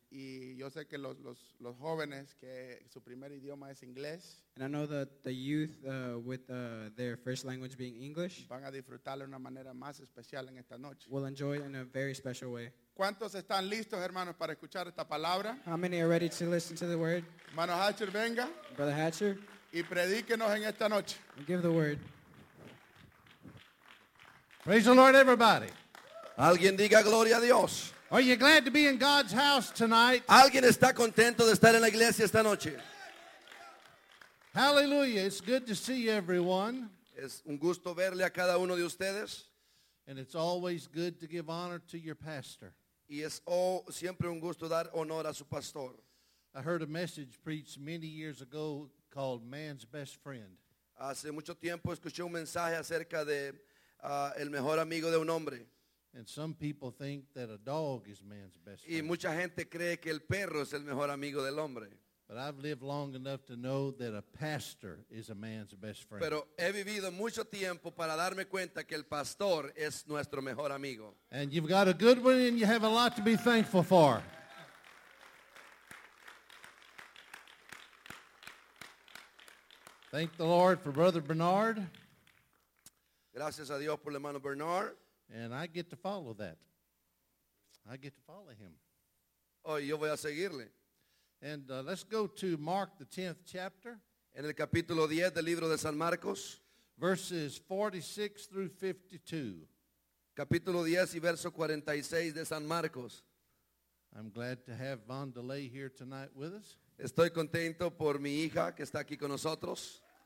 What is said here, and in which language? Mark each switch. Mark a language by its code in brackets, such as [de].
[es] Y yo sé que los jóvenes que su primer idioma es inglés. [en] And I know that the youth with their first language being English. [es] Van a disfrutarlo de una manera más especial en esta noche. [en] Will enjoy it in a very special way. [es] ¿Cuántos están listos, hermanos, para escuchar esta palabra? [en] How many are ready to listen to the word? [es] Hermano Hatcher, venga. [en] Brother Hatcher. [es] Y predíquenos en esta noche. [en] And give the word. Praise the Lord, everybody. [es] Alguien diga gloria a Dios. [en] Are you glad to be in God's house tonight? [es] Alguien está contento de estar en la iglesia esta noche. [en] Hallelujah. It's good to see everyone. [es] Es un gusto verle a cada uno de ustedes. [en] And it's always good to give honor to your pastor. [es] Y es siempre un gusto dar honor a su pastor. [en] I heard a message preached many years ago called Man's Best Friend. [es] Hace mucho tiempo escuché un mensaje acerca de el mejor amigo de un hombre. [en] And some people think that a dog is man's best friend. [es] Y mucha gente cree que el perro es el mejor amigo del hombre. [en] But I've lived long enough to know that a pastor is a man's best friend. [es] Pero he vivido mucho tiempo para darme cuenta que el pastor es nuestro mejor amigo. [en] And you've got a good one and you have a lot to be thankful for. Thank the Lord for Brother Bernard. [es] Gracias a Dios por el hermano Bernard. [en] And I get to follow that. I get to follow him. [es] Oh, yo voy a seguirle. [en] And let's go to Mark, the 10th chapter. [es] En el capítulo 10 del libro de San Marcos. [en] Verses 46 through 52. [es] Capítulo 10 y verso 46 de San Marcos. [en] I'm glad to have Von DeLay here tonight with us. [es] Estoy contento por mi hija que está aquí con nosotros.